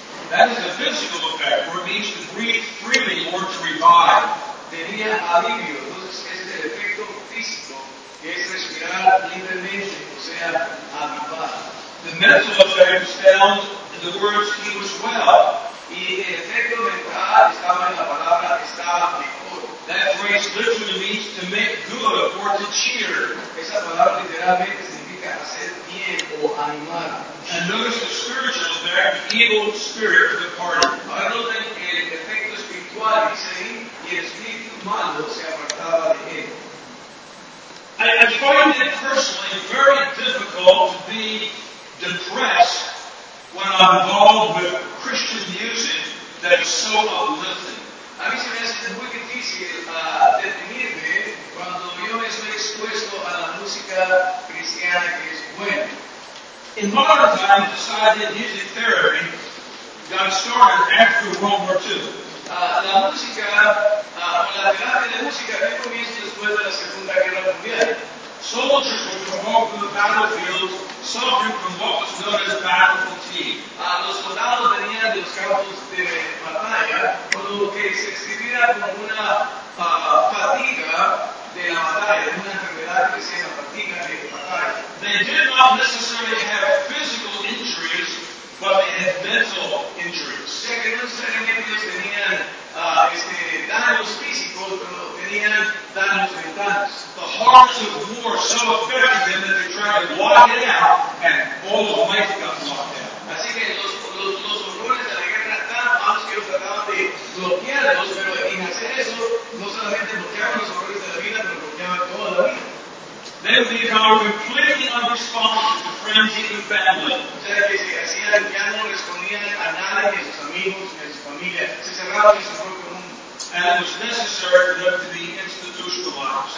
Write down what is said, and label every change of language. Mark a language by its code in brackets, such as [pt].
[en] That is a physical effect, where it means to breathe freely or to revive. [es] Tenía alivio. Entonces, es el efecto físico, que es respirar libremente, o sea, avivar. [en] The mental effect is found in the words, he was well. [es] Y el efecto mental estaba en la palabra, estaba mejor. [en] That phrase literally means to make good or to cheer. [es] Esa palabra literalmente significa hacer bien o animar. [en] And notice the spiritual effect, the evil spirit departed. [es] Ahora noten el efecto espiritual, dice ahí, y el espíritu malo se apartaba de él. [en] I find it personally very difficult to be depressed when I'm involved with Christian music that is so uplifting. [es] A mí se me hace muy difícil deprimirme cuando yo me estoy expuesto a la música cristiana que es buena. [en] In modern times, the side that music therapy got started after World War II. [es] La música, la terapia de música que comienza después de la Segunda Guerra Mundial. [en] Soldiers would come home from the battlefield, suffering from what was known as battle fatigue. [es] Los soldados venían de los campos de batalla con lo que se escribía como una fatiga de la batalla, una enfermedad que se llama fatiga de batalla. [en] They did not necessarily have physical injuries, but they had mental injuries. [es] O sea que no necesariamente tenían daños físicos, pero tenían daños mentales. [en] The horrors of war so affected them that they tried to block it out, and all of life got locked out. [es] Así que los horrores de la guerra tan malos que ellos trataban de bloquearlos, pero en hacer eso, no solamente bloqueaban los horrores de la vida, pero bloqueaban toda la vida. [en] They would become completely unresponsive to friends, even family. [es] O sea, que se hacían, ya no respondían a nada de sus amigos, de su familia. Se cerraban en su propio mundo. [en] And it was necessary for them to be institutionalized.